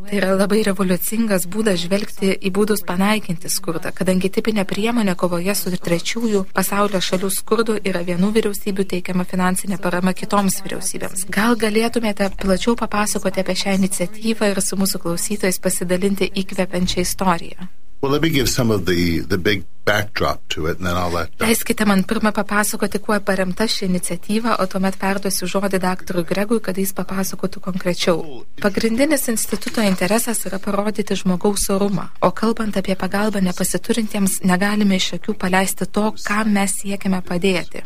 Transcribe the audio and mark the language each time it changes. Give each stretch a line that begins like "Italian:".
Lithuanian: Tai yra labai revoliucingas būdas žvelgti į būdus panaikinti skurdą, kadangi tipinė priemonė kovoje su trečiųjų pasaulio šalių skurdu yra vienų vyriausybių teikiama finansinė parama kitoms vyriausybėms. Gal galėtumėte plačiau papasakoti apie šią iniciatyvą ir su mūsų klausytojais pasidalinti įkvepiančią istoriją?
English: Well, let me give some of the big backdrop to it, and then I'll let Dr.
Lithuanian: Leiskite man pirma papasakoti, kuo paremta ši iniciatyva, o tuomet perduosiu žodį daktarui Gregui, kad jis papasakotų konkrečiau. Pagrindinis instituto interesas yra parodyti žmogaus orumą, o kalbant apie pagalbą nepasiturintiems, negalime iš akių paleisti to, kam mes siekiame padėti.